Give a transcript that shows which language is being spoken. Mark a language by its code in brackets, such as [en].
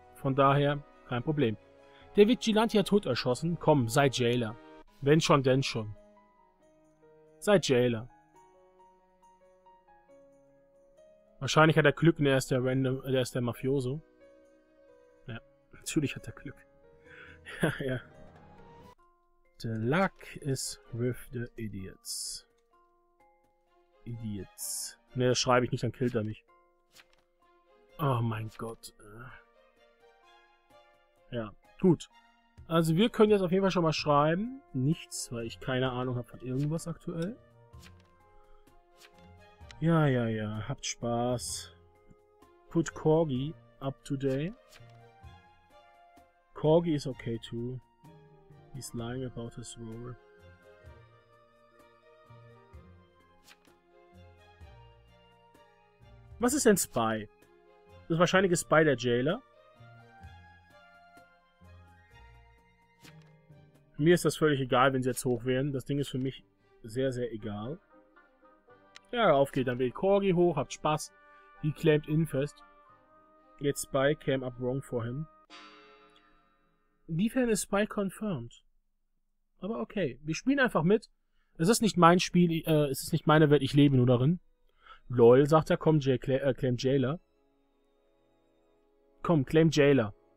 [de] Von daher kein Problem. Der Vigilante hat Hood erschossen. Komm, sei Jailer. Wenn schon, denn schon. Sei Jailer. Wahrscheinlich hat er Glück und er ist der Mafioso. Ja, natürlich hat er Glück. Ja, ja. [en] The luck is with the idiots. Idiots. [de] Ne, das schreibe ich nicht, dann killt er mich. Oh mein Gott. Ja, gut. Also wir können jetzt auf jeden Fall schon mal schreiben. Nichts, weil ich keine Ahnung habe von irgendwas aktuell. Ja, ja, ja. Habt Spaß. [en] Put Corgi up today. Corgi is okay too. He's lying about his role. [de] Was ist denn Spy? Das ist wahrscheinlich Spy der Jailer. Mir ist das völlig egal, wenn sie jetzt hoch wären. Das Ding ist für mich sehr, sehr egal. Ja, auf geht, dann wählt Corgi hoch, habt Spaß. [en] He claimed in fest. [de] Jetzt [en] Spy came up wrong for him. [de] Inwiefern ist Spy confirmed? Aber okay, wir spielen einfach mit. Es ist nicht mein Spiel, es ist nicht meine Welt, ich lebe nur darin. Lol, sagt er, komm, claim Jailer. Komm, claim Jailer.